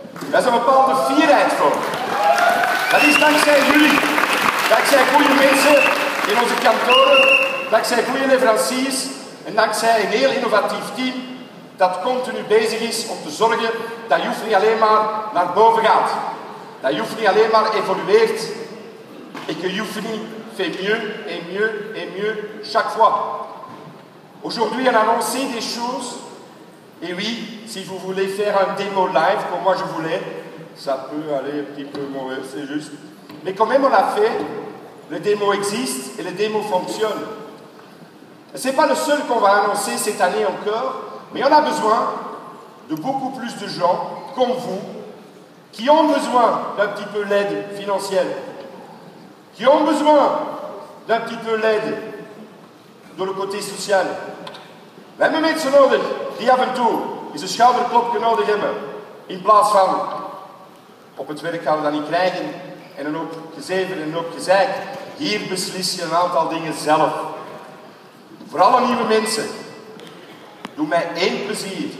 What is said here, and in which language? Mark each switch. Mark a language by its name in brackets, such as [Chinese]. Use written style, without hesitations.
[Dutch] Wij zijn een bepaalde fierheid voor. Dat is dankzij jullie, dankzij goede mensen in onze kantoren, dankzij goede leveranciers en dankzij een heel innovatief team dat continu bezig is om te zorgen dat Symphony alleen maar naar boven gaat. Dat Symphony alleen maar evolueert. [French] Et que Symphony fait mieux et mieux et mieux chaque fois. Aujourd'hui, on a annoncé des choses. Et oui, si vous voulez faire un démo live, comme moi je voulais, ça peut aller un petit peu mauvais, c'est juste. Mais quand même, on l'a fait. Le démo existe et le démo fonctionne. Ce n'est pas le seul qu'on va annoncer cette année encore, mais on a besoin de beaucoup plus de gens comme vous qui ont besoin d'un petit peu d'aide financière. Qui ont besoin d'un petit peu d'aide dans le côté social. [Dutch] We hebben mensen nodig die af en toe eens een schouderklopje nodig hebben. In plaats van op het werk gaan we dat niet krijgen en een hoop gezever en een hoop gezeik. Hier beslis je een aantal dingen zelf. Voor alle nieuwe mensen, doe mij één plezier.